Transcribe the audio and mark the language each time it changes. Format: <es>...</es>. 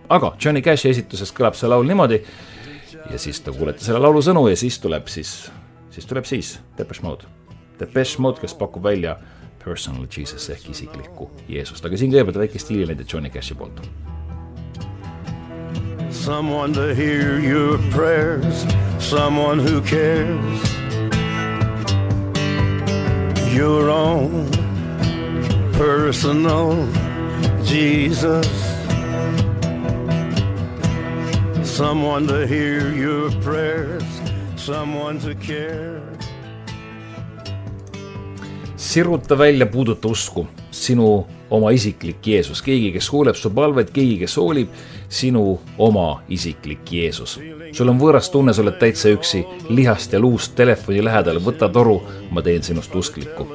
<et>Aga Johnny Cashi esituses kõlab see laul niimoodi ja siis ta kuulete selle laulu sõnu ja siis tuleb Depeche Mode. Depeche Mode, kes pakub välja Personal Jesus, ehk isiklikku Jeesust. Aga siin kõigepealt väike stiili näide Johnny Cashi poolt.</et> <en>Someone to hear your prayers, someone who cares. Your own personal Jesus. Someone to hear your prayers, someone to care.</en> <et>Siruta välja puuduta usku, sinu oma isiklik Jeesus, keegi, kes kuuleb su palved, keegi, kes hoolib, sinu oma isiklik Jeesus. Sul on võõras tunne, sa oled täitsa üksi, lihast ja luust telefoni lähedal, võta toru, ma teen sinust usklikku.</et>